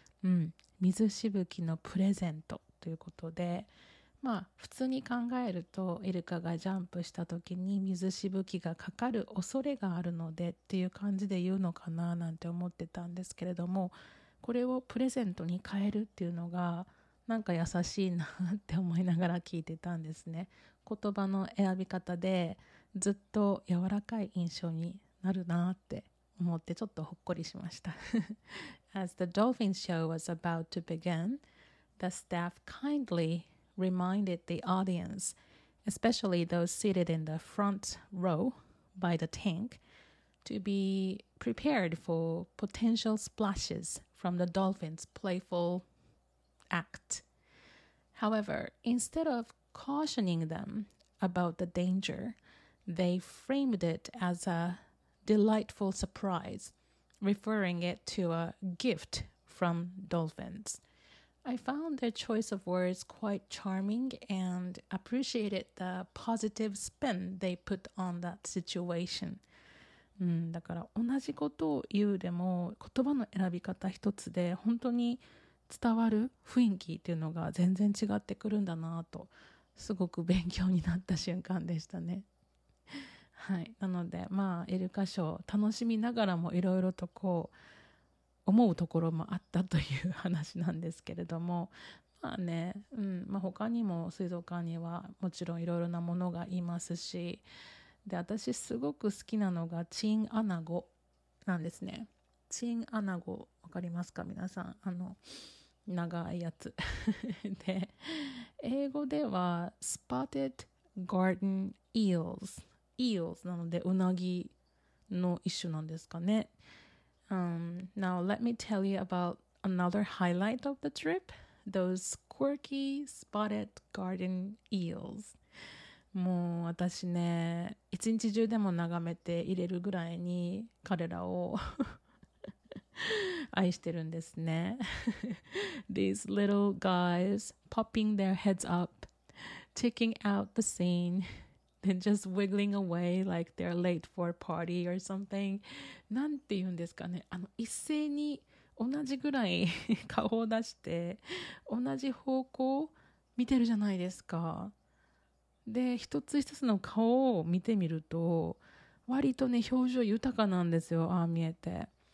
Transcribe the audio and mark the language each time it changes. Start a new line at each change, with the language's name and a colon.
Japanese: うん、水しぶきのプレゼントということで、まあ普通に考えるとイルカがジャンプした時に水しぶきがかかる恐れがあるのでっていう感じで言うのかななんて思ってたんですけれども、これをプレゼントに変えるっていうのがなんか優しいなって思いながら聞いてたんですね。言葉の選び方でずっと柔らかい印象になるなって思ってちょっとほっこりしました。
English: As the dolphin show was about to begin, the staff kindly reminded the audience, especially those seated in the front row by the tank, to be prepared for potential splashes from the dolphin's playful act. However, instead of cautioning them about the danger, they framed it as a delightful surprise. Referring it to a gift from dolphins. I found their choice of words quite charming and appreciated the positive spin they put on that situation.、
Japanese: うん、だから同じことを言うでも言葉の選び方一つで本当に伝わる雰囲気っていうのが全然違ってくるんだなとすごく勉強になった瞬間でしたね。はい、なのでまあイルカショー楽しみながらもいろいろとこう思うところもあったという話なんですけれども、まあね、うん、まあ、他にも水族館にはもちろんいろいろなものがいますし、で私すごく好きなのがチンアナゴなんですね。チンアナゴ分かりますか皆さん、あの長いやつで英語では Spotted Garden EelsEels なのでうなぎの一種なんですかね。
English: Now let me tell you about another highlight of the trip. Those quirky spotted garden eels.
Japanese: もう私ね、一日中でも眺めていれるぐらいに彼らを愛してるんですね。
English: These little guys popping their heads up, checking out the scene. Then just wiggling away like they're late for a party or something.
Japanese: なんて言うんですかね、あの一斉に同じぐらい顔を出して同じ方向見てるじゃないですか。で一つ一つの顔を見てみると割とね表情豊かなんですよ、ああ見えて。